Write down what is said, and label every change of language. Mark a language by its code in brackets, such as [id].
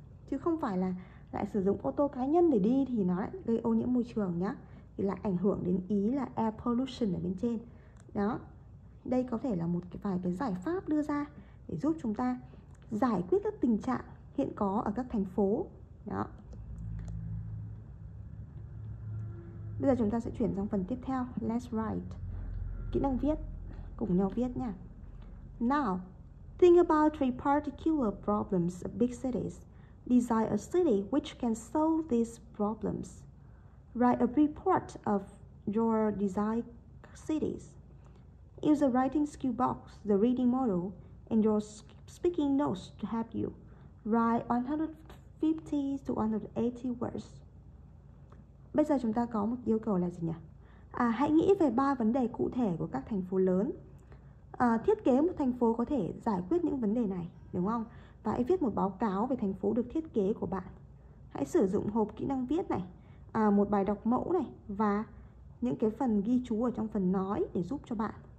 [vi] Chứ không phải là lại sử dụng ô tô cá nhân để đi thì nó lại gây ô nhiễm môi trường nhé, thì lại ảnh hưởng đến ý là air pollution ở bên trên. Đó. Đây có thể là một cái vài cái giải pháp đưa ra để giúp chúng ta giải quyết các tình trạng hiện có ở các thành phố. Đó. Bây giờ chúng ta sẽ chuyển sang phần tiếp theo, [en] Let's write. [vi] Kỹ năng viết, cùng nhau viết nha. [en] Now, think about three particular problems of big cities. Design a city which can solve these problems. Write a report of your design cities. Use a writing skill box, the reading model, and your speaking notes to help you. Write 150 to 180 words. [vi] Bây giờ chúng ta có một yêu cầu là gì nhỉ? Hãy nghĩ về ba vấn đề cụ thể của các thành phố lớn. Thiết kế một thành phố có thể giải quyết những vấn đề này, đúng không? Và hãy viết một báo cáo về thành phố được thiết kế của bạn. Hãy sử dụng hộp kỹ năng viết này, một bài đọc mẫu này và những cái phần ghi chú ở trong phần nói để giúp cho bạn.